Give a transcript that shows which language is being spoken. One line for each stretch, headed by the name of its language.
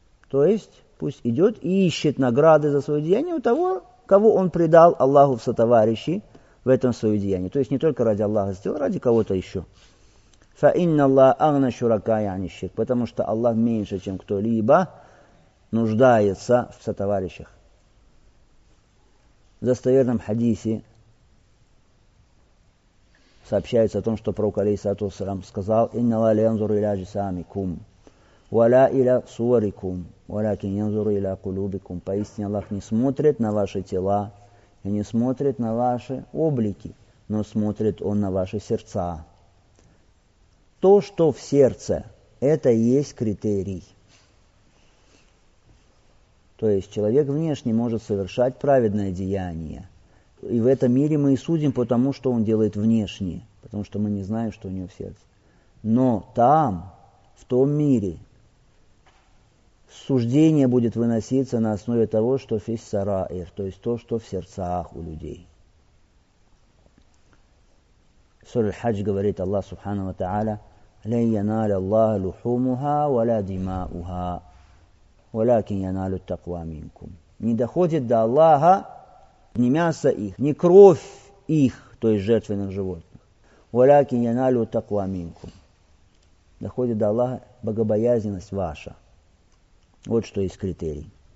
Russian: То есть пусть идет и ищет награды за свое деяние у того, кого он предал Аллаху в сотоварищи в этом свое деяние. То есть не только ради Аллаха сделал, ради кого-то еще.
Arabic: فَإِنَّ اللَّهَ أَغْنَى شُرَكَا يَعْنِ الشِّرْكَ.
Russian: Потому что Аллах меньше, чем кто-либо, нуждается в сотоварищах. В достоверном хадисе сообщается о том, что пророк, алейхиссалату вассалям, сказал
Arabic: إِنَّ اللَّهَ لَيَنْظُرُ إِلَى أَجْسَامِكُمْ وَلَا إِلَى صُوَرِكُمْ وَلَكِنْ يَنْظُرُ إِلَى قُلُوبِكُمْ.
Russian: Поистине Аллах не смотрит на ваши тела и не смотрит на ваши облики, но смотрит Он на ваши сердца. То, что в сердце, это и есть критерий. То есть человек внешне может совершать праведное деяние. И в этом мире мы и судим по тому, что он делает внешне, потому что мы не знаем, что у него в сердце. Но там, в том мире, суждение будет выноситься на основе того, что фиссараир, то есть то, что в сердцах у людей. Сура аль-Хадж говорит Аллах Субхану ва Тааля,
Arabic: لَنْ يَنَالَ اللَّهَ لُحُومُهَا وَلَا دِمَاؤُهَا وَلَكِنْ يَنَالُ التَّقْوَى مِنْكُمْ.
Russian: Не доходит до Аллаха ни мясо их, ни кровь их, то есть жертвенных животных.
Arabic: وَلَكِنْ يَنَالُ التَّقْوَى مِنْكُمْ.
Russian: Доходит до Аллаха богобоязненность ваша. Вот что есть критерий.